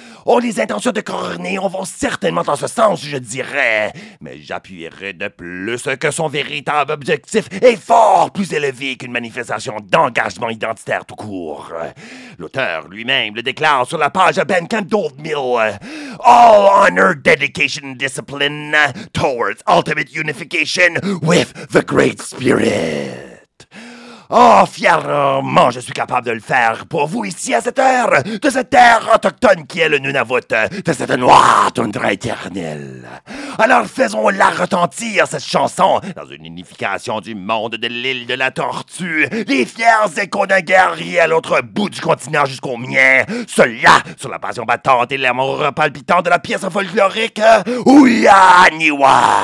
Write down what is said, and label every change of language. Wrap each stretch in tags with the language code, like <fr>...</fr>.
<fr>Oh, les intentions de Corneo vont certainement dans ce sens, je dirais. Mais j'appuierai de plus que son véritable objectif est fort plus élevé qu'une manifestation d'engagement identitaire tout court. L'auteur lui-même le déclare sur la page Bandcamp d'Oldmill.</fr> <en>All honor, dedication, discipline towards ultimate unification with the Great Spirit.</en> <fr>Oh, fièrement, je suis capable de le faire pour vous ici à cette heure, de cette terre autochtone qui est le Nunavut, de cette noire toundra éternelle. Alors faisons-la retentir, cette chanson, dans une unification du monde de l'île de la Tortue, les fiers échos d'un guerrier à l'autre bout du continent jusqu'au mien, cela sur la passion battante et l'amour palpitant de la pièce folklorique Ouyaniwa.</fr>